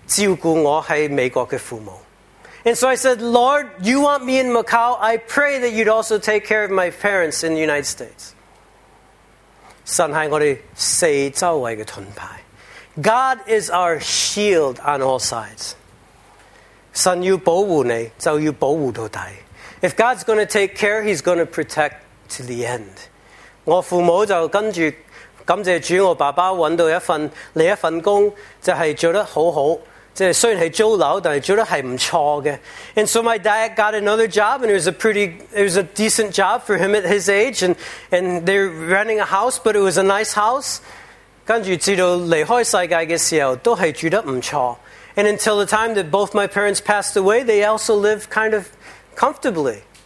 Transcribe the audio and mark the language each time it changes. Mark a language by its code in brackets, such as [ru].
[zh] 跟我說,神啊,你要我在澳門,你要印證你要我在澳門,我靠你照顧我在美國的父母。 [en] And so I said, Lord, you want me in Macau, I pray that you'd also take care of my parents in the United States. [zh] 神是我們四周圍的盾牌。 [en] God is our shield on all sides. [zh] 神要保護你,就要保護到底。 [en] If God's going to take care, He's going to protect to the end. [zh] 我父母就跟着感谢主，我爸爸找到一份另一份工，就是做得好好，就是虽然是租楼，但是做得还不错的。 [en] And so my dad got another job, and it was a decent job for him at his age. And they're renting a house, but it was a nice house. [zh] 跟着直到离开世界的时候，都是住得不错。 [en] And until the time that both my parents passed away, they also lived kind of comfortably.